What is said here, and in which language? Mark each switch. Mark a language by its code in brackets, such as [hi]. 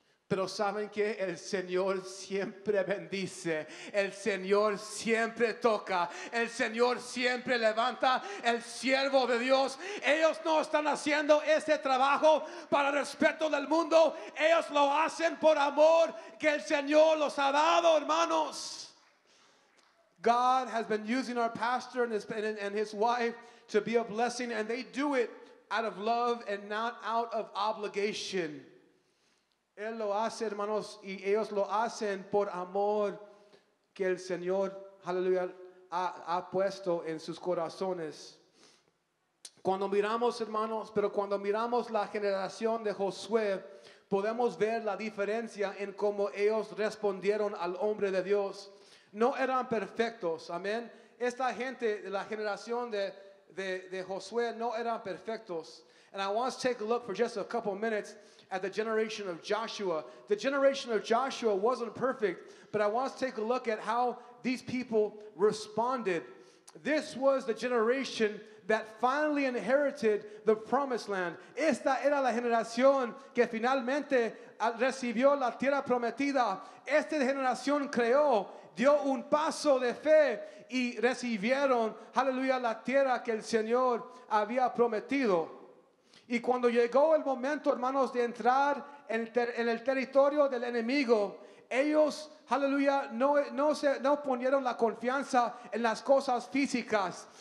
[es] Pero saben que el Señor siempre bendice, el Señor siempre toca, el Señor siempre levanta el siervo de Dios. Ellos no están haciendo este trabajo para respeto del mundo, ellos lo hacen por amor que el Señor los ha dado, hermanos. [en] God has been using our pastor and his wife to be a blessing, and they do it out of love and not out of obligation. [es] Él lo hace, hermanos, y ellos lo hacen por amor que el Señor, aleluya, ha puesto en sus corazones. Cuando miramos, hermanos, pero cuando miramos la generación de Josué, podemos ver la diferencia en cómo ellos respondieron al hombre de Dios. No eran perfectos, amén. Esta gente, la generación de Josué, no eran perfectos. [en] And I want to take a look for just a couple of minutes at the generation of Joshua. The generation of Joshua wasn't perfect, but I want to take a look at how these people responded. This was the generation that finally inherited the promised land. [es] Esta era la generación que finalmente recibió la tierra prometida. Esta generación creó, dio un paso de fe y recibieron, aleluya, la tierra que el Señor había prometido. Y cuando llegó el momento, hermanos, de entrar en el territorio del enemigo, ellos, aleluya, no ponieron la confianza en las cosas físicas.